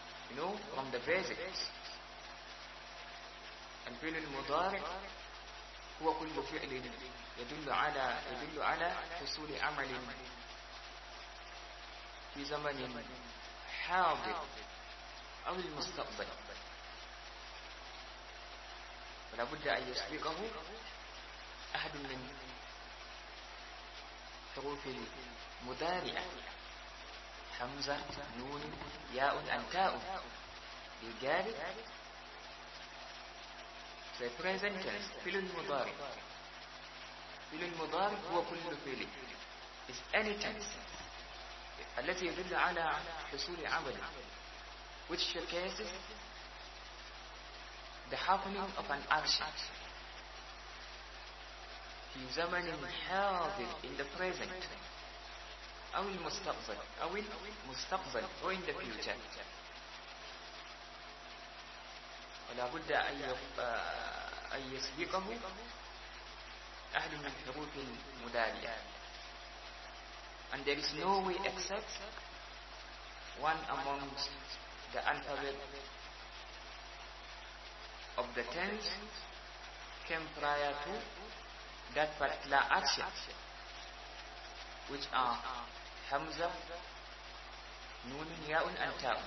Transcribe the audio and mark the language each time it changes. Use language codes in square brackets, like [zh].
[en] You know, from the basics. [ar] الفعل المضارع هو كل فعل يدل على حصول عمل في زمن حاضر أو المستقبل فلا بد أن يسبقه أحد من حروف المضارعة حمزة نون ياء أنتاء بالجار. [en] So present tense, [ar] فعل المضارع. فعل المضارع هو كل فعل. [en] It's any tense. [ar] التي يدل على حصول عمل. [en] Which showcases the happening of an action. [ar] في زمن حاضر [en] in the present. [ar] أو المستقبل. أو المستقبل [en] or in the future. [ar] ولا بد أن يسبقه أحد من حروف المضارع. [en] And there is no way except one amongst the alphabet of the tense came prior to that particular action, which are [ar] حمزة نون ياء أنتاء.